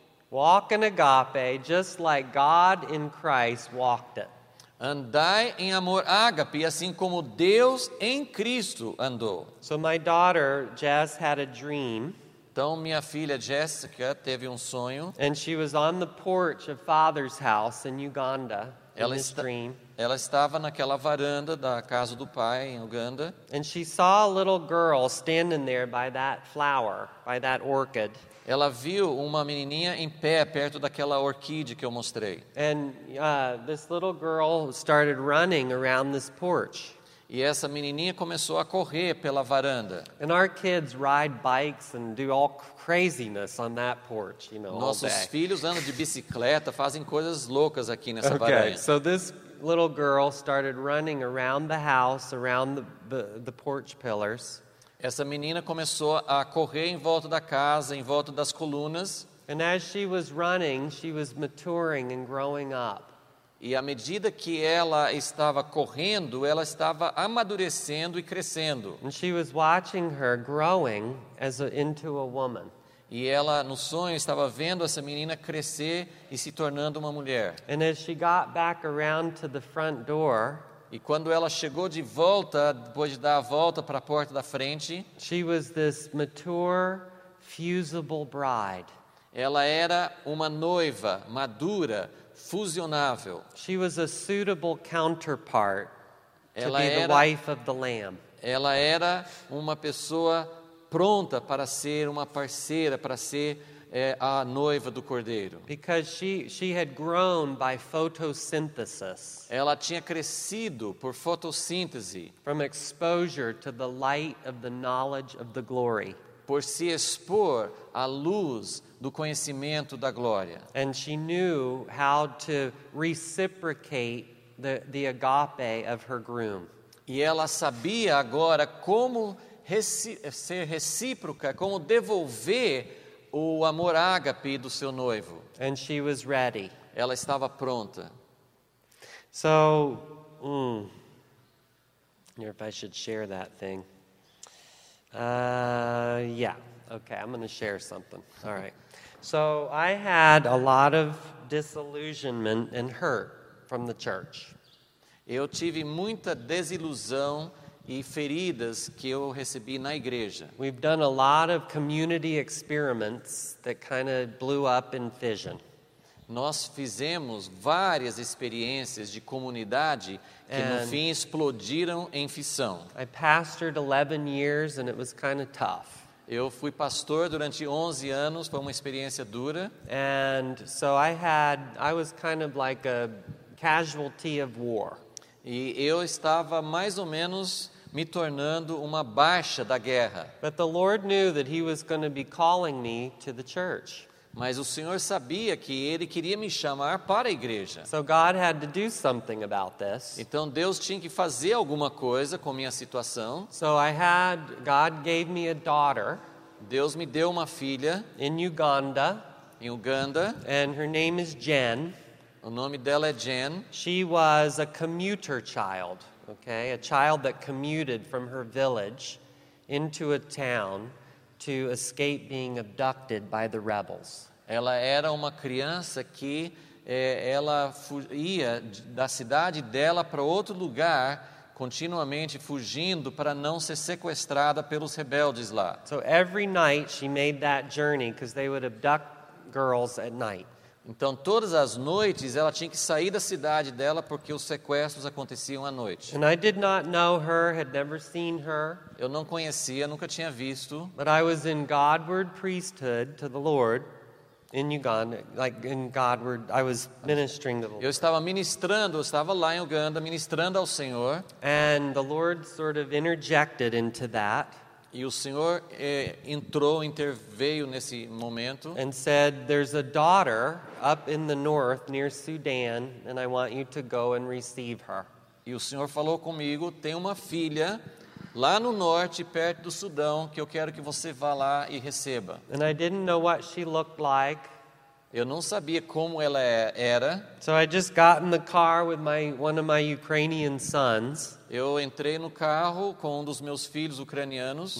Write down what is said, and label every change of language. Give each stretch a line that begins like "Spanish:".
English: Walk in agape, just like God in Christ walked it.
Portuguese: Andai em amor ágape, assim como Deus em Cristo andou.
English: So my daughter Jess had a dream.
Portuguese: Então minha filha Jessica teve sonho.
English: And she was on the porch of Father's house in Uganda.
Portuguese: Ela estava naquela varanda da casa do pai em Uganda.
English: And she saw a little girl standing there by that flower, by that orchid.
Portuguese: Ela viu uma menininha em pé perto daquela orquídea que eu mostrei.
English: And this little girl started running around this porch.
Portuguese: E essa menininha começou a correr pela varanda.
English: And our kids ride bikes and do all craziness on that porch, you know.
Portuguese: Nossos filhos andam de bicicleta, fazem coisas loucas aqui nessa varanda.
English: Okay, so this little girl started running around the house, around the porch pillars.
Portuguese: Essa menina começou a correr em volta da casa, em volta das colunas.
English: And as she was running, she was maturing and growing up.
Portuguese: E à medida que ela estava correndo, ela estava amadurecendo e crescendo.
English: And she was watching her growing as into a woman.
Portuguese: E ela, no sonho, estava vendo essa menina crescer e se tornando uma mulher.
English: And as she got back around to the front door,
Portuguese: e quando ela chegou de volta, depois de dar a volta para a porta da frente,
English: she was this mature, fusible bride.
Portuguese: Ela era uma noiva madura, fusionável.
English: She was a suitable counterpart.
Portuguese: Ela era,
English: wife of the Lamb.
Portuguese: Ela era uma pessoa pronta para ser uma parceira, para ser a noiva do Cordeiro.
English: Because she had grown by photosynthesis.
Portuguese: Ela tinha crescido por fotossíntese.
English: From exposure to the light of the knowledge of the glory.
Portuguese: Por se expor à luz do conhecimento da glória.
English: And she knew how to reciprocate the agape of her groom.
Portuguese: E ela sabia agora como ser recíproca, como devolver o amor ágape do seu noivo.
English: And she was ready.
Portuguese: Ela estava pronta.
English: So, I wonder if I should share that thing. Yeah. Okay, I'm going to share something. All right. So, I had a lot of disillusionment and hurt from the church.
Portuguese: Eu tive muita desilusão e feridas que eu recebi na igreja.
English: We've done a lot of community experiments that kind of blew up in fission.
Portuguese: Nós fizemos várias experiências de comunidade que
English: and
Portuguese: no fim explodiram em fissão.
English: I pastored 11 years and it was kind of tough.
Portuguese: Eu fui pastor durante 11 anos, foi uma experiência dura.
English: And so I was kind of like a casualty of war.
Portuguese: E eu estava mais ou menos me tornando uma baixa da guerra.
English: But the Lord knew that he was going to be calling me to the church.
Portuguese: Mas o Senhor sabia que ele queria me chamar para a igreja.
English: So God had to do something about this.
Portuguese: Então Deus tinha que fazer alguma coisa com minha situação.
English: So God gave me a daughter.
Portuguese: Deus me deu uma filha.
English: In Uganda.
Portuguese: Em Uganda.
English: And her name is Jen.
Portuguese: O nome dela é Jen.
English: She was a commuter child, okay? A child that commuted from her village into a town to escape being abducted by the rebels.
Portuguese: Ela era uma criança que ela ia da cidade dela para outro lugar continuamente fugindo para não ser sequestrada pelos rebeldes lá.
English: So every night she made that journey because they would abduct girls at night.
Portuguese: Então, todas as noites, ela tinha que sair da cidade dela porque os sequestros aconteciam à noite.
English: And I did not know her, had never seen her.
Portuguese: Eu não conhecia, nunca tinha visto.
English: But I was in Godward priesthood to the Lord in Uganda, like in Godward, I was ministering to the Lord.
Portuguese: Eu estava ministrando, eu estava lá em Uganda, ministrando ao Senhor.
English: And the Lord sort of interjected into that.
Portuguese: E o Senhor entrou, interveio nesse momento.
English: And said, there's a daughter up in the north near Sudan, and I want you to go and receive her.
Portuguese: E o Senhor falou comigo, tem uma filha lá no norte, perto do Sudão, que eu quero que você vá lá e receba.
English: And I didn't know what she looked like.
Portuguese: Eu não sabia como ela era.
English: So I just got in the car with one of my Ukrainian sons.
Portuguese: Eu entrei no carro com um dos meus filhos ucranianos.